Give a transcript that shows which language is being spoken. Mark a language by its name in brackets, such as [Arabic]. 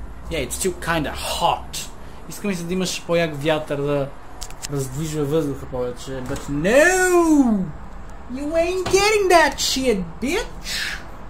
[English] Yeah, it's still kinda hot. [Bulgarian] Искам и се да имаш по-як вятър да раздвижва въздуха повече. [English] But no! You ain't getting that shit, bitch!